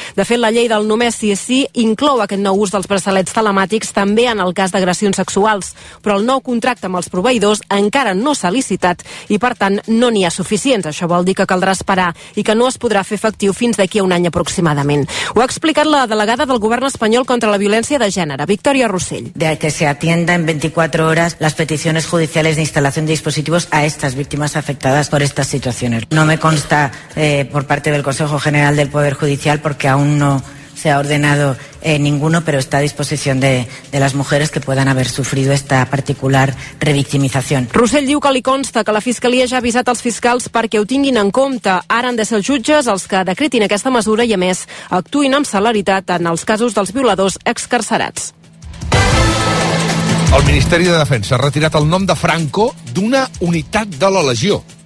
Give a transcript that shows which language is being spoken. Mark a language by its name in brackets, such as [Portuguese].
[Catalan] De fet, la llei del només sí és sí inclou aquest nou ús dels braçalets telemàtics també en el cas d'agressions sexuals. Però el nou contracte amb els proveïdors encara no s'ha licitat i, per tant, no n'hi ha suficients. Això vol dir que caldrà esperar i que no es podrà fer efectiu fins d'aquí a un any aproximadament. Ho ha explicat la delegada del govern espanyol contra la Violència de Gènere. Victòria Rossell. [Spanish] De que se atienda en 24 horas las peticiones judiciales de instalación de dispositivos a estas víctimas afectadas por estas situaciones. No me consta por parte del Consejo General del Poder Judicial porque aún no se ha ordenado ninguno, pero está a disposición de las mujeres que puedan haber sufrido esta particular revictimización. [Catalan] Rossell diu que li consta que la Fiscalia ja ha avisat els fiscals perquè ho tinguin en compte. Ara han de ser els jutges els que decretin aquesta mesura i, a més, actuïn amb celeritat en els casos dels violadors excarcerats. El Ministeri de Defensa ha retirat el nom de Franco d'una unitat de la Legió.